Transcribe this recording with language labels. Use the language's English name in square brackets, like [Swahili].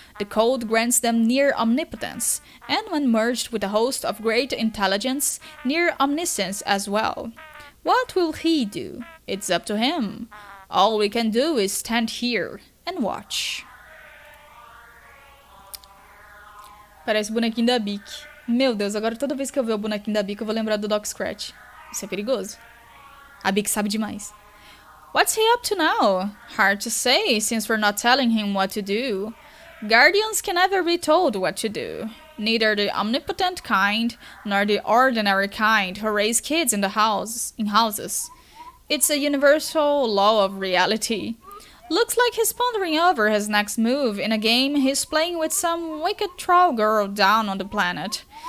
[English] The code grants them near omnipotence, and when merged with a host of great intelligence, near omniscience as well. What will he do? It's up to him. All we can do is stand here and watch. [Portuguese] Parece bonequinho da Bic. Meu Deus, agora toda vez que eu ver o bonequinho da Bic, eu vou lembrar do Doc Scratch. Isso é perigoso. A Bic sabe demais. [English] What's he up to now? Hard to say, since we're not telling him what to do. Guardians can never be told what to do. Neither the omnipotent kind, nor the ordinary kind who raise kids in the houses. It's a universal law of reality. Looks like he's pondering over his next move in a game he's playing with some wicked troll girl down on the planet.